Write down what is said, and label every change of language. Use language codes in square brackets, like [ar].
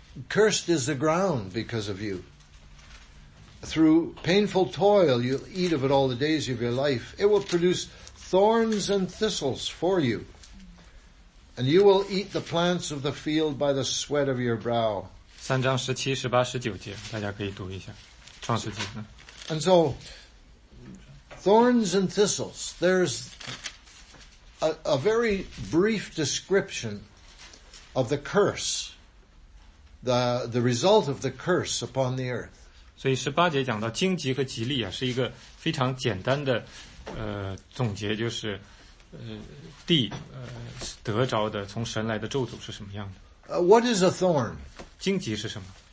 [en] Cursed is the ground because of you. Through painful toil, you'll eat of it all the days of your life. It will produce thorns and thistles for you. And you will eat the plants of the field by the sweat of your brow. [zh] 三章十七、十八、十九节，大家可以读一下，创世纪。 [en] And so, thorns and thistles. There's a very brief description of the curse, the result of the curse upon the earth. [zh] 所以十八节讲到荆棘和吉利啊，是一个非常简单的总结，就是地得着的从神来的咒诅是什么样的。 [en] What is a thorn? [zh] 荆棘是什么？